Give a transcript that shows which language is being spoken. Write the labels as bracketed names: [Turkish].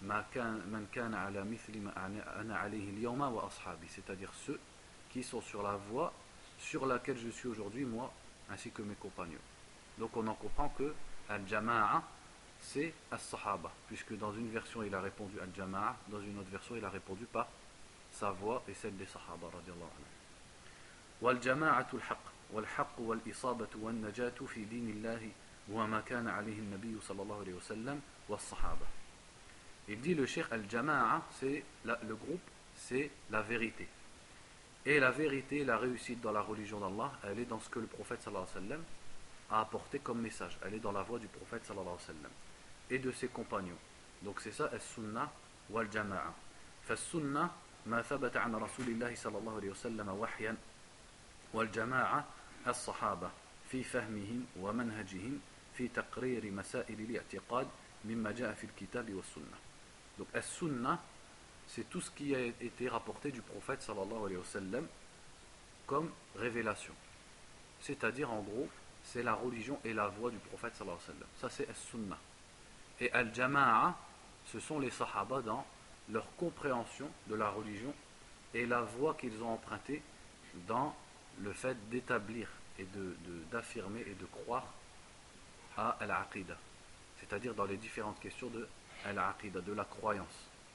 [French] C'est-à-dire ceux qui sont sur la voie sur laquelle je suis aujourd'hui, moi, ainsi que mes compagnons. Donc on en comprend que al-jama'a, c'est as-sahaba. Puisque dans une version, il a répondu al-jama'a, dans une autre version, il a répondu par sa voix et celle des sahaba, radiallahu anhu. [Arabic] والجماعه الحق والحق والاصابه والنجاه في دين الله وما كان عليه النبي صلى الله عليه وسلم والصحابه. [French] Il dit le cheikh, al-jama'a, c'est le groupe, c'est la vérité. Et la vérité, la réussite dans la religion d'Allah, elle est dans ce que le prophète [Arabic] صلى الله عليه وسلم [French] a apporté comme message. Elle est dans la voie du prophète [Arabic] صلى الله عليه وسلم [French] et de ses compagnons. Donc c'est ça, as-sunna wal-jama'a. [Arabic] فالسنه ما ثبت عن رسول الله صلى الله عليه وسلم وحيا والجماعة الصحابة في فهمهم ومنهجهم في تقرير مسائل الاعتقاد مما جاء في الكتاب والسنة. [French] Donc as-sunna, c'est tout ce qui a été rapporté du prophète sallallahu alayhi wa sallam comme révélation. C'est-à-dire en gros, c'est la religion et la voie du prophète sallallahu alayhi wa sallam. Ça c'est as-sunna. Et al-jama'a, ce sont les sahaba dans leur compréhension de la religion et la voie qu'ils ont empruntée dans le fait d'établir et d'affirmer et de croire à Al-Aqidah, c'est-à-dire dans les différentes questions de Al-Aqidah, de la croyance.